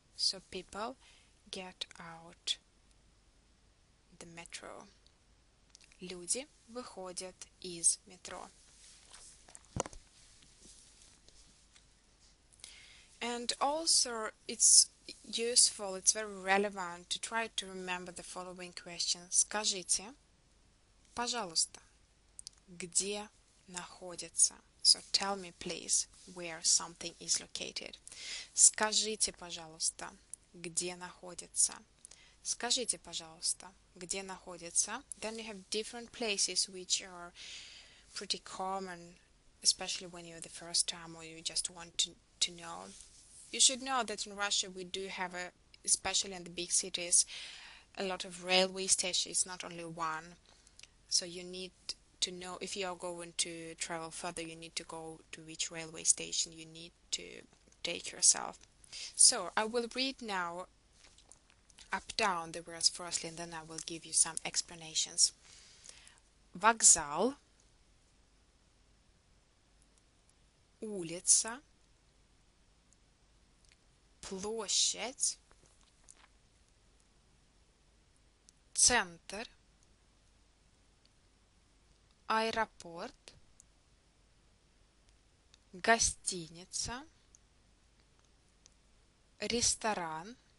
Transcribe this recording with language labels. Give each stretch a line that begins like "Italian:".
English: So people get out the metro.
Russian: Люди выходят из метро.
English: And also it's useful, it's very relevant to try to remember the following question.
Russian: Скажите, пожалуйста, где находится?
English: So tell me please where something is located.
Russian: Скажите, пожалуйста, где находится? Скажите, пожалуйста, где находится?
English: Then you have different places which are pretty common, especially when you're the first time or you just want to know. You should know that in Russia we do have, especially in the big cities, a lot of railway stations, not only one. So you need to know, if you are going to travel further, you need to go to which railway station you need to take yourself. So, I will read now up-down the words firstly, and then I will give you some explanations.
Russian: Вокзал, улица, площадь, центр, аэропорт, гостиница, ресторан,